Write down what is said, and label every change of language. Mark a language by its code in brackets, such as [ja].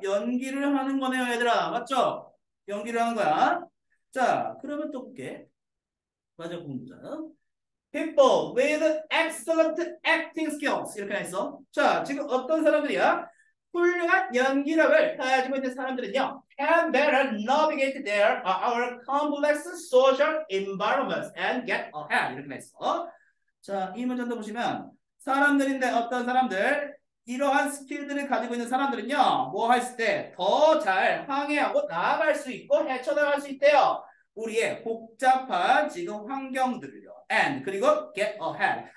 [ko] 연기를 하는 거네요, 얘들아. 맞죠? 연기를 하는 거야. 자, 그러면 또 볼게. 맞아, 공부자. [en] People with excellent acting skills. [ko] 이렇게 했어. 자, 지금 어떤 사람들이야? 훌륭한 연기력을 가지고 있는 사람들은요. [en] Can better navigate their, our complex social environments and get ahead. [ko] 이렇게 했어. 자, 이 문장도 보시면 사람들인데 어떤 사람들? 이러한 스킬들을 가지고 있는 사람들은요, 뭐 했을 때더잘 항해하고 나아갈 수 있고 헤쳐나갈 수 있대요. 우리의 복잡한 지금 환경들을요. [en] And, 그리고 get ahead.